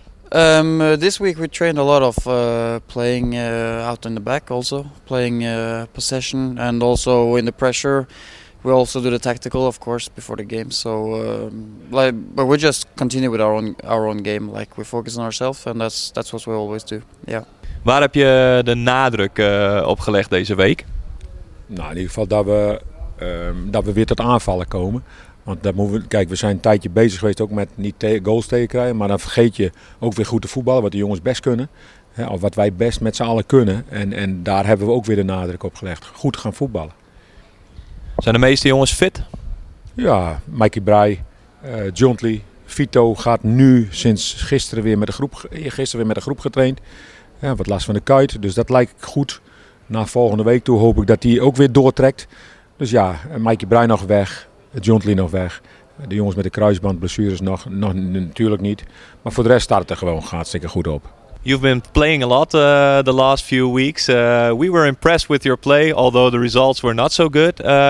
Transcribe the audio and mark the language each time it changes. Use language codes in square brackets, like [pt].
[en] This week we trained a lot of playing out in the back, also playing possession, and also in the pressure. We also do the tactical, of course, before the game. So, but we just continue with our own game. Like, we focus on ourselves, and that's what we always do. Yeah. [nl] Waar heb je de nadruk op gelegd deze week? Nou, in ieder geval dat we weer tot aanvallen komen. Want dat moeten we, kijk, we zijn een tijdje bezig geweest ook met niet goals tegen krijgen. Maar dan vergeet je ook weer goed te voetballen, wat de jongens best kunnen. Hè, of wat wij best met z'n allen kunnen. En daar hebben we ook weer de nadruk op gelegd. Goed gaan voetballen. Zijn de meeste jongens fit? Ja, Mikey Bray, Jontley, Vito gaat nu sinds gisteren weer met de groep, getraind. Ja, wat last van de kuit, dus dat lijkt goed. Na volgende week toe hoop ik dat hij ook weer doortrekt. Dus ja, Mikey Bray nog weg. Jontley nog weg. De jongens met de kruisbandblessures nog natuurlijk niet. Maar voor de rest staat het er gewoon hartstikke goed op. [en] You've been playing a lot the last few weeks. We were impressed with your play, although the results were not so good.